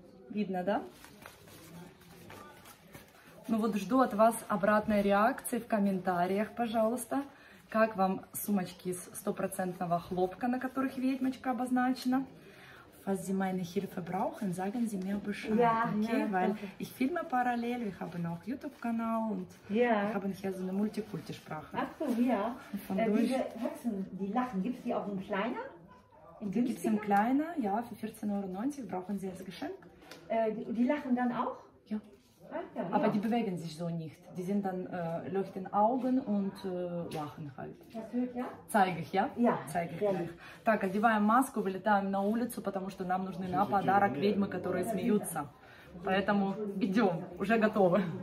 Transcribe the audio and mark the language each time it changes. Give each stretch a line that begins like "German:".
Russian: Видно, да? Ну вот жду от вас обратной реакции в комментариях, пожалуйста. Как вам сумочки из 100% хлопка, на которых ведьмочка обозначена?
German: Was Sie meine Hilfe brauchen, sagen Sie mir Bescheid. Ja, okay, ja, weil danke. Ich filme parallel, wir haben auch YouTube-Kanal und wir haben hier so eine Multikulti-Sprache. Ach so, ja. Diese Höchsen, die lachen, gibt es die auch in kleiner? Die gibt es in kleiner, ja, für 14,90 € brauchen Sie als Geschenk. Die lachen dann auch? Ja. Ach, ja, ja. Aber die bewegen sich so nicht. Die sind dann, leuchten Augen und lachen halt. Das hört, ja? Zeige ich, ja? Ja. Zeige ich gleich.
Russian: Так, одеваем маску, вылетаем на улицу, потому что нам нужны на подарок ведьмы, которые смеются. Поэтому идем, уже готовы.